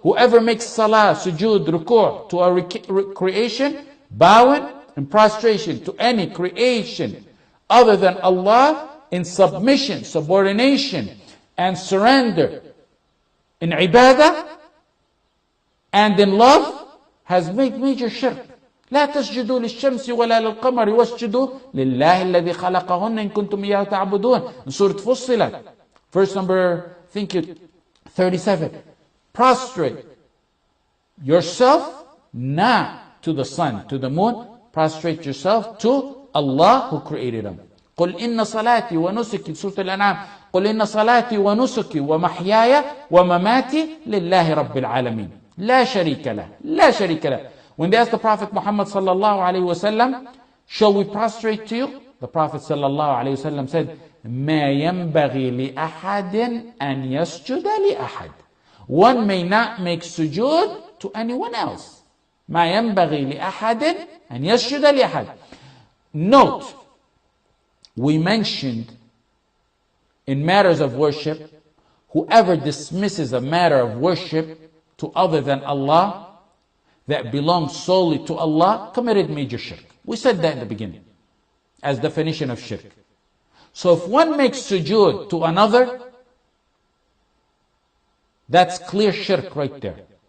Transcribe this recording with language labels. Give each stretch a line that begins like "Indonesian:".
English: Whoever makes salah, sujood, ruku' to a creation, bowing and prostration to any creation other than Allah in submission, subordination, and surrender in ibadah and in love has made major shirk.
Arabic: لا تسجدوا للشمس ولا للقمر واسجدوا لله الذي خلقهن إن كنتم إياه تعبدون.
English: سورة فصلت. Verse number, I think it 37. Prostrate yourself not to the sun, to the moon. Prostrate yourself to Allah who created them.
Arabic: قل إن صلاتي ونسكي سورة الأنعام قل إن صلاتي ونسكي ومحياي ومماتي لله رب العالمين. لا شريك له. لا شريك له.
English: When they asked the Prophet Muhammad sallallahu alayhi wa sallam, shall we prostrate to you? The Prophet sallallahu alayhi wa sallam said,
Arabic: ما ينبغي لأحد أن يسجد لأحد.
English: One may not make sujood to anyone else.
Arabic: ما ينبغي لأحد أن يسجد لأحد.
English: Note, we mentioned in matters of worship, whoever dismisses a matter of worship to other than Allah, that belongs solely to Allah, committed major shirk. We said that in the beginning as definition of shirk. So if one makes sujood to another, that's clear shirk right there.